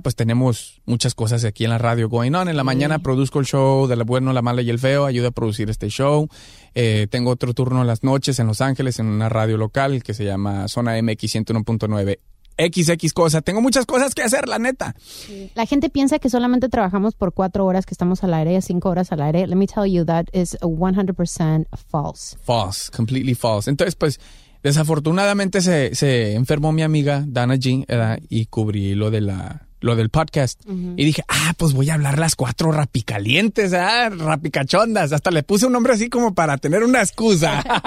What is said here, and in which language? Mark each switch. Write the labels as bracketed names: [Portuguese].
[Spanish] Pues tenemos muchas cosas aquí en la radio [English] going on. [Spanish] En la mañana produzco el show de la bueno, la mala y el feo. Ayudo a producir este show. Tengo otro turno en las noches en Los Ángeles en una radio local que se llama Zona MX 101.9 XX cosa. Tengo muchas cosas que hacer, la neta. Sí. La gente piensa que solamente trabajamos por 4 horas que estamos al aire y 5 horas al aire. [English] Let me tell you, that is 100% false. False, completely false. [Spanish] Entonces, pues... Desafortunadamente se enfermó mi amiga Dana G, y cubrí lo del podcast. Uh-huh. Y dije, pues voy a hablar las 4 rapicalientes, rapicachondas. Hasta le puse un nombre así como para tener una excusa.